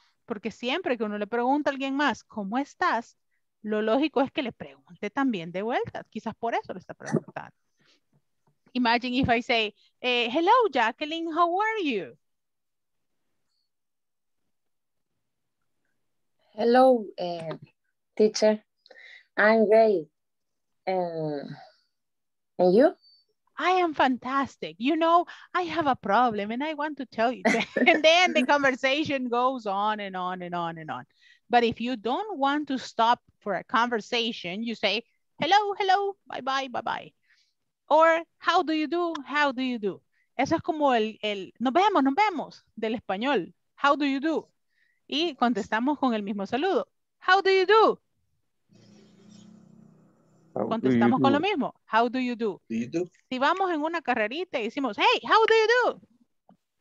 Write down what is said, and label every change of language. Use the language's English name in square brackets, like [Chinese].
[Spanish] Porque siempre que uno le pregunta a alguien más, ¿cómo estás? Lo lógico es que le pregunte también de vuelta. Quizás por eso le está preguntando. [English] Imagine if I say, hello, Jacqueline, how are you? Hello, teacher. I'm great. And you? I am fantastic. You know, I have a problem and I want to tell you. And then the conversation goes on and on and on and on. But if you don't want to stop for a conversation, you say, hello, hello, bye-bye, bye-bye. Or how do you do? How do you do? [Spanish] Eso es como el nos vemos del español. [English] How do you do? [Spanish] Y contestamos con el mismo saludo. [English] How do you do? [Spanish] Contestamos con lo mismo. [English] How do you do? [Spanish] Si vamos en una carrerita y decimos, [English] hey, how do you do?